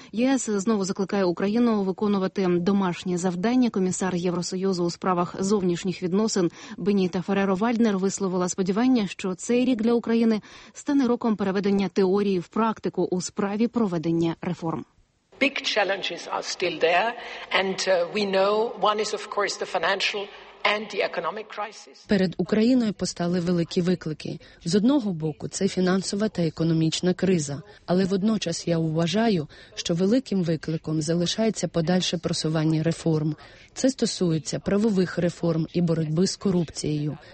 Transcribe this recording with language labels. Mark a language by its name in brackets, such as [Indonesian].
[Ukrainian] ЄС знову закликає Україну виконувати домашнє завдання. Комісар Євросоюзу у справах зовнішніх відносин Беніта Фереро-Вальднер висловила сподівання, що цей рік для України стане роком переведення теорії в практику у справі проведення реформ. [English] Big challenges are still there, and we know one is, of course, the financial and the economic crisis. [Ukrainian] Перед Україною постали великі виклики. З одного боку, це фінансова та економічна криза. Але водночас я вважаю, що великим викликом залишається подальше просування реформ. Це стосується правових реформ і боротьби з корупцією.